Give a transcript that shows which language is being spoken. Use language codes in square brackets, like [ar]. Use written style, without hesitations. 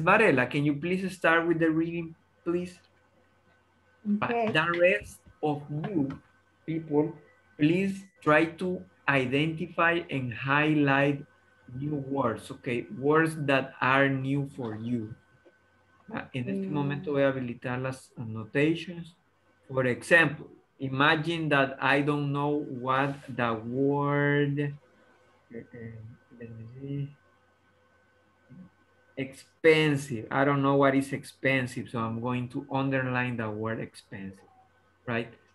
[en] Varela, can you please start with the reading, please? Okay. But the rest of you people, please try to identify and highlight new words, okay? Words that are new for you. [es] En este momento voy a habilitar las annotations. [en] For example, imagine that I don't know what the word, let me see. expensive. I don't know what is expensive, so I'm going to underline the word expensive, right?